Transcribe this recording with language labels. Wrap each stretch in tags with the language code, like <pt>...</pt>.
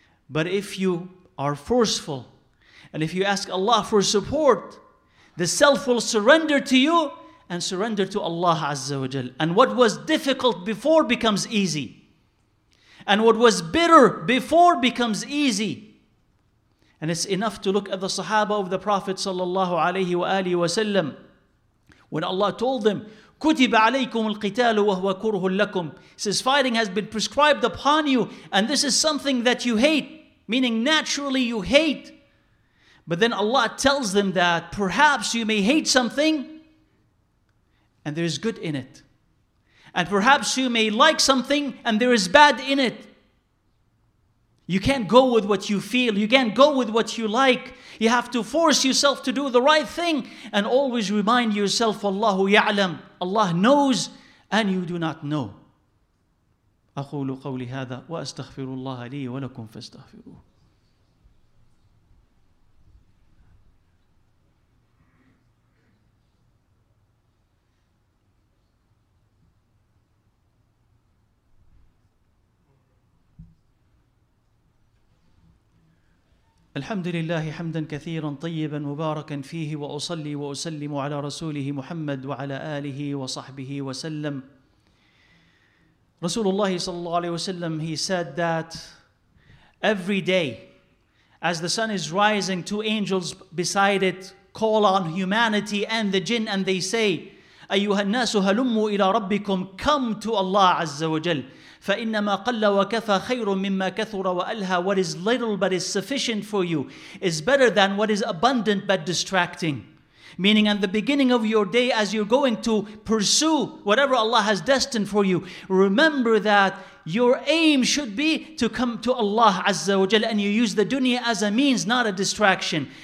<en>But if you are forceful, and if you ask Allah for support, the self will surrender to you and surrender to Allah Azza wa Jal. And what was difficult before becomes easy. And what was bitter before becomes easy. And it's enough to look at the Sahaba of the Prophet sallallahu alayhi wa alihi wa sallam. When Allah told them,</en> <ar>كُتِبَ عَلَيْكُمُ الْقِتَالُ وَهُوَ كُرْهٌ لَكُمْ.</ar> <en>He says, fighting has been prescribed upon you, and this is something that you hate, meaning naturally you hate. But then Allah tells them that perhaps you may hate something, and there is good in it. And perhaps you may like something, and there is bad in it. You can't go with what you feel. You can't go with what you like. You have to force yourself to do the right thing and always remind yourself, Allahu ya'lam, Allah knows and you do not know.</en> <ar>أَقُولُ قَوْلِ هَذَا وَأَسْتَغْفِرُ اللَّهَ لِي وَلَكُمْ فَاسْتَغْفِرُوهُ. الحمد لله حمدا كثيرا طيبا مباركا فيه وأصلي وأسلم على رسوله محمد وعلى آله وصحبه وسلم. رسول الله صلى الله عليه وسلم,</ar> <en>he said that every day as the sun is rising, two angels beside it call on humanity and the jinn, and they say,</en> <ar>أيها الناس هلموا إلى ربكم,</ar> <en>come to Allah عز وجل.</en> <ar>فإنما قل وكفى خير مما كثر وألهى.</ar> <en>What is little but is sufficient for you is better than what is abundant but distracting. Meaning at the beginning of your day, as you're going to pursue whatever Allah has destined for you, remember that your aim should be to come to Allah Azza wa Jal, and you use the dunya as a means, not a distraction.</en>